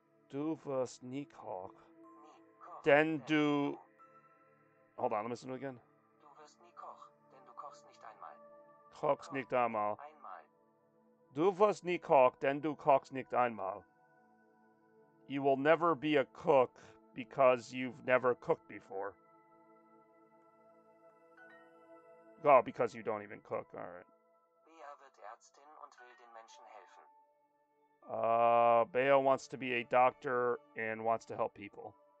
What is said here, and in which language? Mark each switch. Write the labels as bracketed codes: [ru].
[de] Du wirst nie koch. Denn du... [en] Hold on, let me listen to it again. [de] Du wirst nie koch, denn du kochst nicht einmal. Kochst nicht einmal. Einmal. Du wirst nie koch, denn du kochst nicht einmal. [en] You will never be a cook because you've never cooked before. Oh, because you don't even cook. All right. [de] Bea wird Ärztin und will den Menschen helfen. [en] Bea wants to be a doctor and wants to help people.